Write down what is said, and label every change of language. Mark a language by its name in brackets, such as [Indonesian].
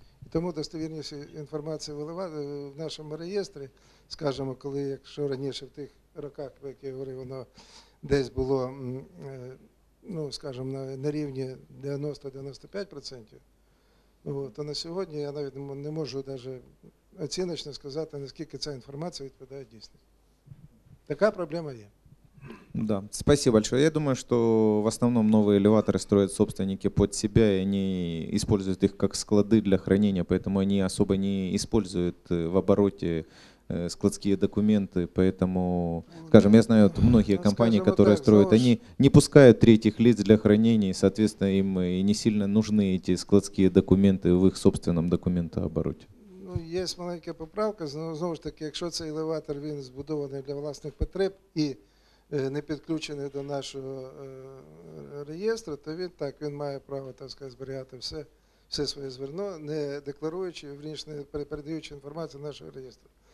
[Ukrainian] І тому достовірність інформації в нашому реєстрі, якщо раніше в тих роках, про які я говорив, воно десь було, на рівні 90-95%, то на сьогодні я навіть не можу навіть оціночно сказати, наскільки ця інформація відповідає дійсності. Така проблема є. [Russian] Да, спасибо большое. Я думаю, что в основном новые элеваторы строят собственники под себя, и они используют их как склады для хранения, поэтому они особо не используют в обороте складские документы. Поэтому, я знаю многие компании, которые строят, они не пускают третьих лиц для хранения, и, соответственно, им и не сильно нужны эти складские документы в их собственном документообороте. [Ukrainian] Є маленька поправка, знову ж таки, якщо цей елеватор, він збудований для власних потреб і не підключений до нашого реєстру, то він так, він має право, зберігати все своє зерно, не декларуючи, не передаючи інформацію нашого реєстру.